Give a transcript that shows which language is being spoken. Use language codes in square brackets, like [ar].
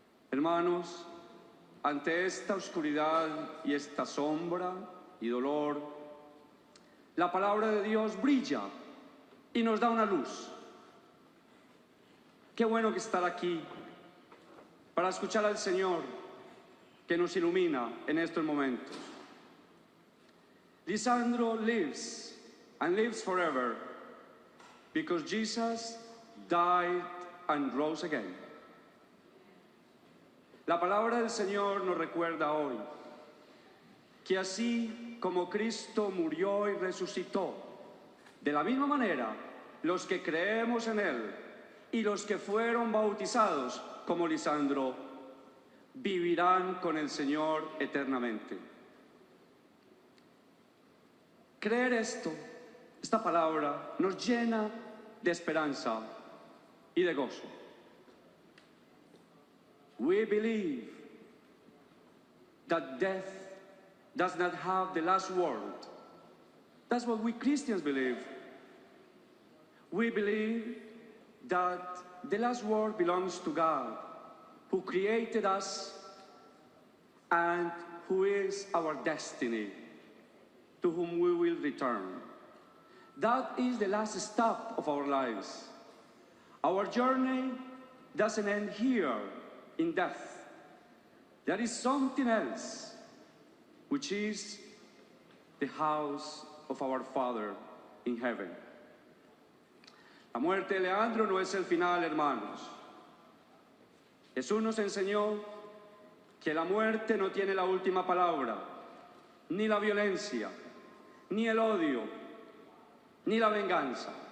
[es] Hermanos, ante esta oscuridad y esta sombra y dolor, la palabra de Dios brilla y nos da una luz. Qué bueno que estar aquí para escuchar al Señor que nos ilumina en estos momentos. [en] Lisandro lives and lives forever because Jesus died and rose again. [es] La palabra del Señor nos recuerda hoy que así como Cristo murió y resucitó, de la misma manera, los que creemos en Él y los que fueron bautizados como Lisandro vivirán con el Señor eternamente. Creer esto, esta palabra, nos llena de esperanza y de gozo. [en] We believe that death does not have the last word. That's what we Christians believe. We believe that the last word belongs to God, who created us and who is our destiny, to whom we will return. That is the last stop of our lives. Our journey doesn't end here. In death, there is something else, which is the house of our Father in heaven. [es] La muerte de Leandro no es el final, hermanos. Jesús nos enseñó que la muerte no tiene la última palabra, ni la violencia, ni el odio, ni la venganza.